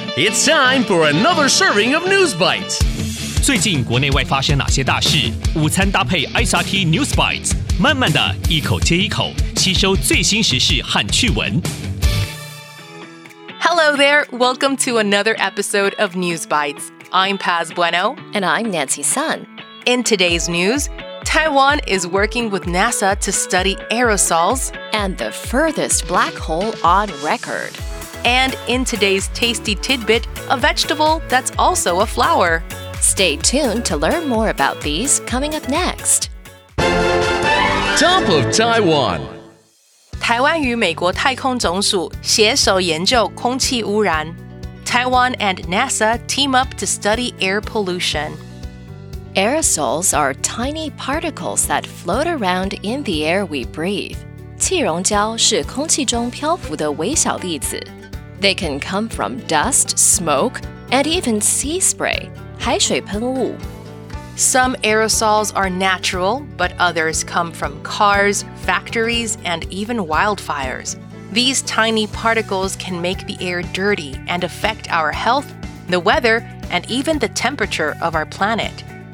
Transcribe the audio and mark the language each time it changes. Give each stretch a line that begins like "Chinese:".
English: It's time for another serving of News Bites.
Chinese: 最近国内外发生哪些大事？午餐搭配 SRT News Bites， 慢慢的一口接一口，吸收最新时事和趣闻。
English: Hello there, welcome to another episode of News Bites. I'm Paz Bueno. And I'm Nancy Sun. In today's news, Taiwan is working with NASA to study aerosols and the furthest black hole on record. And in today's tasty tidbit, a vegetable that's also a flower. Stay tuned to learn more about these coming up next. Top of Taiwan.
Chinese: 台湾与美国太空总署携手研究空气污染
English: Taiwan and NASA team up to study air pollution. Aerosols are tiny particles that float around in the air we breathe.
Chinese: 气溶胶是空气中漂浮的微小粒子。
English: They can come from dust, smoke, and even sea spray,
Chinese: 海水喷雾。
English: Some aerosols are natural, but others come from cars, factories, and even wildfires. These tiny particles can make the air dirty and affect our health, the weather, and even the temperature of our planet.